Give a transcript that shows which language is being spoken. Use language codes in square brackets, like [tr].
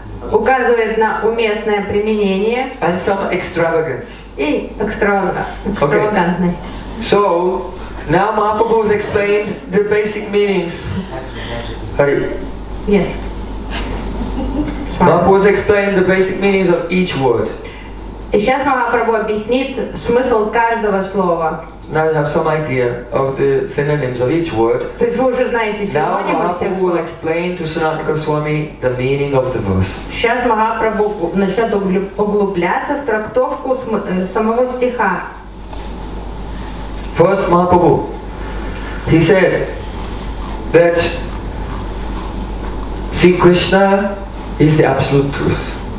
[ru] Указывает на уместное применение. [en] And some extravagance. [ru] И экстравагантность. Okay. [en] So, now Mahaprabhu has explained the basic meanings. Hari. Yes. Mahaprabhu has explained the basic meanings of each word. [ru] И сейчас Mahaprabhu объяснит смысл каждого слова. [en] Now you have some idea of the synonyms of each word. [ru] То есть вы уже знаете синонимы всех слов. [en] Now Mahaprabhu will explain to Sanatana Goswami the meaning of the verse. [ru] Сейчас Mahaprabhu начнет углубляться в трактовку самого стиха. [en] First Mahaprabhu, he said, that Sri Krishna is the absolute truth.